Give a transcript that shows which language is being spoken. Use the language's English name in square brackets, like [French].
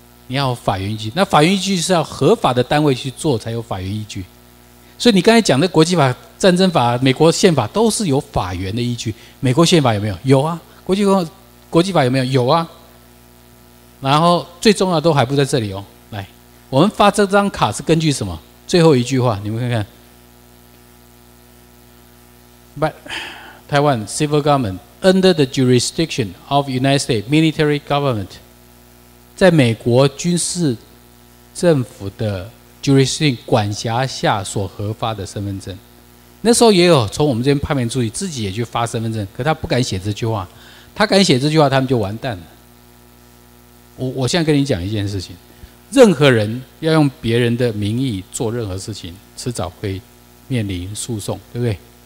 [Chinese] 你要法源依据，那法源依据是要合法的单位去做才有法源依据，所以你刚才讲的国际法、战争法、美国宪法都是有法源的依据。美国宪法有没有？有啊。国际法有没有？有啊。然后最重要的都还不在这里哦。来，我们发这张卡是根据什么？最后一句话，你们看看 [English] ，But Taiwan civil government under the jurisdiction of United States military government。 [Chinese] 在美国军事政府的 jurisdiction 管辖下所核发的身份证，那时候也有从我们这边派遣助理自己也去发身份证，可他不敢写这句话，他敢写这句话他们就完蛋了。我现在跟你讲一件事情，任何人要用别人的名义做任何事情，迟早会面临诉讼，对不对？